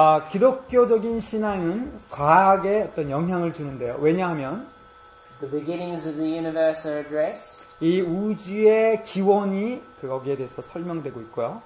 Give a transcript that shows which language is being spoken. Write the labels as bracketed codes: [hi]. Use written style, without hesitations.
[ko] 기독교적인 신앙은 과학에 어떤 영향을 주는데요. 왜냐하면 [en] the beginnings of the universe are addressed. [ko] 이 우주의 기원이 거기에 대해서 설명되고 있고요.